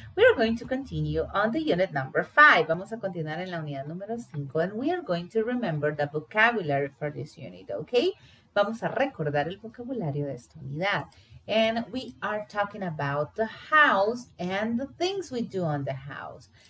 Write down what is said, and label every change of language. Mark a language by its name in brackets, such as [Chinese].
[English] We are going to continue on the unit number 5. [Spanish] Vamos a continuar en la unidad número 5. [English] And we are going to remember the vocabulary for this unit, okay? [Spanish] Vamos a recordar el vocabulario de esta unidad. [English] And we are talking about the house and the things we do on the house.